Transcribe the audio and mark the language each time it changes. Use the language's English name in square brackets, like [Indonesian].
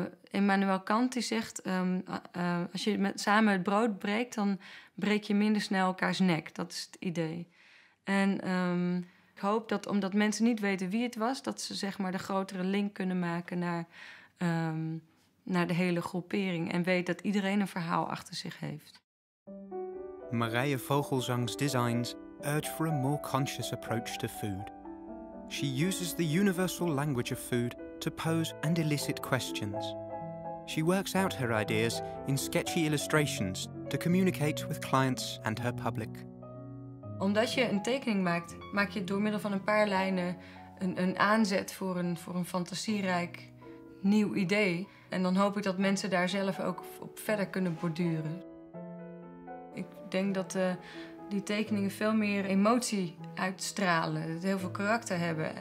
[Dutch] Immanuel Kant die zegt, als je samen het brood breekt, dan breek je minder snel elkaars nek. Dat is het idee. En ik hoop dat omdat mensen niet weten wie het was, dat ze zeg maar de grotere link kunnen maken naar de hele groepering. En weet dat iedereen een verhaal achter zich heeft. [English] Marije Vogelzang's designs urge for a more conscious approach to food. she uses the universal language of food to pose and elicit questions. She works out her ideas in sketchy illustrations to communicate with clients and her public. [Dutch] Omdat je een tekening maakt, maak je door middel van een paar lijnen een aanzet voor een fantasierijk nieuw idee. En dan hoop ik dat mensen daar zelf ook op verder kunnen borduren. Ik denk dat die tekeningen veel meer emotie uitstralen, dat heel veel karakter hebben.